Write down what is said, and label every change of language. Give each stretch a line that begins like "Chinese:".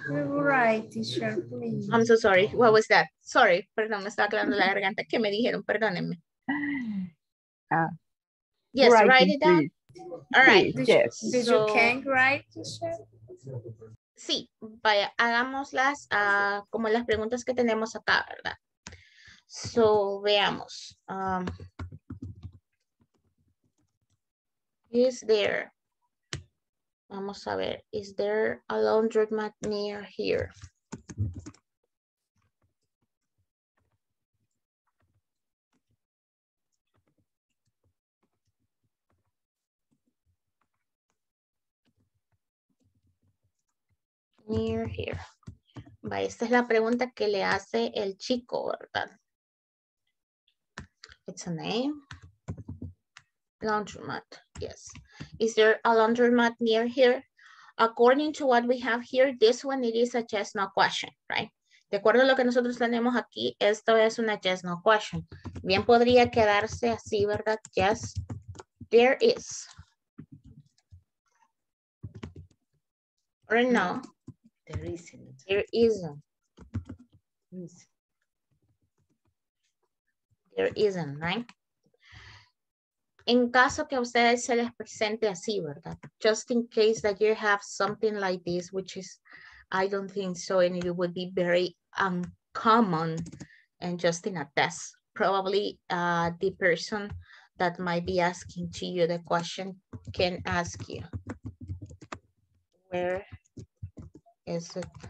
English: Write, teacher, please. I'm so sorry. What was that? Sorry.
Spanish: Perdón, me estaba aclarando la garganta. ¿Qué me dijeron? Perdónenme.
English: Yes, write it down. All right. Yes. Did you can write, teacher?
Spanish: Sí, vaya, hagámoslas como las preguntas que tenemos acá, ¿verdad? So, veamos.
English: Is there,
Spanish: vamos a ver,
English: is there a laundromat near here? Near here.
Spanish: Vaya, esta es la pregunta que le hace el chico, ¿verdad?
English: It's a name. Laundromat, yes. Is there a laundromat near here? According to what we have here, this one it is a yes no question, right?
Spanish: De acuerdo a lo que nosotros tenemos aquí, esto es una
English: yes no question.
Spanish: Bien podría quedarse así, ¿verdad?
English: Yes, there is. Or no. There isn't, right?
Spanish: En caso que a ustedes se les presente así, ¿verdad?
English: Just in case that you have something like this, which is, I don't think so, and it would be very uncommon and just in a test. Probably the person that might be asking to you the question can ask you where is it?